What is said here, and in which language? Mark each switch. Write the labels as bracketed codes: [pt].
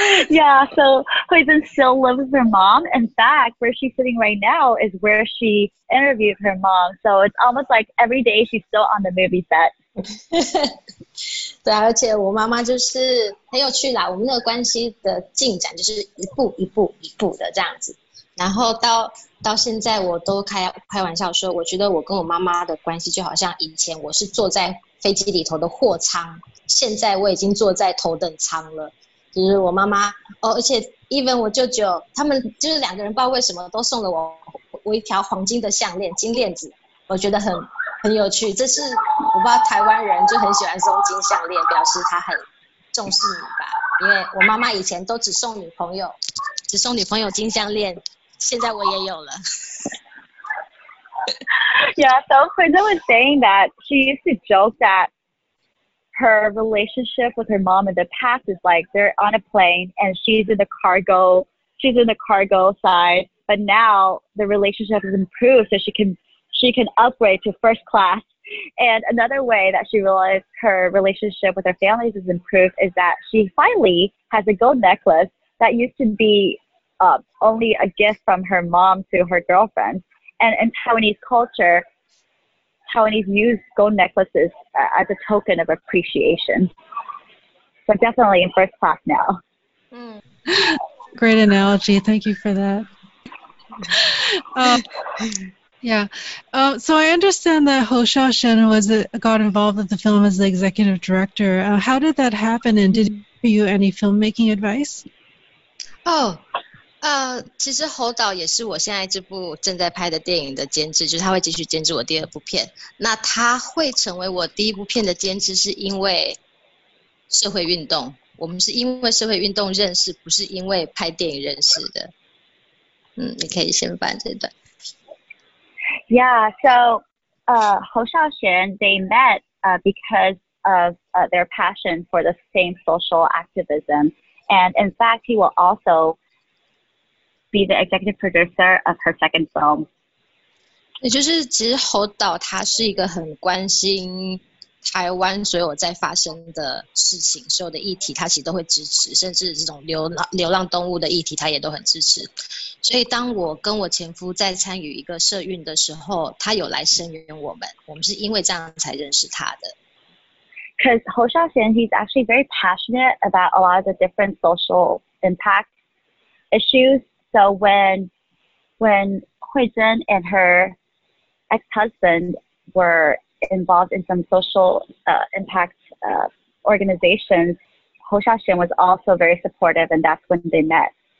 [en] Yeah, so Huizhen still lives with her mom. In fact, where she's sitting right now is where she interviewed her mom. So it's almost like every day she's still on the movie set. [zh] 对，而且我妈妈就是很有趣啦。我们那个关系的进展就是一步一步一步的这样子。然后到现在，我都开玩笑说，我觉得我跟我妈妈的关系就好像以前我是坐在飞机里头的货舱，现在我已经坐在头等舱了。就是我妈妈哦，而且 [en] even [zh] 我舅舅他们就是两个人，不知道为什么都送了我一条黄金的项链，金链子，我觉得很有趣。这是我不知道台湾人就很喜欢送金项链，表示他很重视你吧？因为我妈妈以前都只送女朋友金项链，现在我也有了。 [en] Yeah, so Huizhen was saying that she used to joke that. Her relationship with her mom in the past is like they're on a plane and she's in the cargo side, but now the relationship has improved so she can upgrade to first class. And another way that she realized her relationship with her family has improved is that she finally has a gold necklace that used to be only a gift from her mom to her girlfriend. And in Taiwanese culture,Taiwanese use gold necklaces as a token of appreciation. So definitely in first class now. Great analogy. Thank you for that. So I understand that Hou Xiaoshen got involved with the film as the executive director. How did that happen, and did he give you any filmmaking advice? Oh. [zh] 其实侯导也是我现在这部正在拍的电影的监制，就是他会继续监制我第二部片。那他会成为我第一部片的监制，是因为社会运动。我们是因为社会运动认识，不是因为拍电影认识的。嗯，你可以先翻这段。 [en] Yeah, so, Hou Xiaoxuan, they met, because of, their passion for the same social activism, and in fact, he will also. Be the executive producer of her second film. [zh] 也就是其实侯导他是一个很关心台湾所有在发生的事情，所有的议题，他其实都会支持，甚至这种流浪动物的议题，他也都很支持。所以当我跟我前夫在参与一个社运的时候，他有来声援我们，我们是因为这样才认识他的。 [en] Because Hou Xiaoxian, he's actually very passionate about a lot of the different social impact issues. So when Hui Zhen and her ex-husband were involved in some social impact organizations, Hou Xiaoxian was also very supportive, and that's when they met.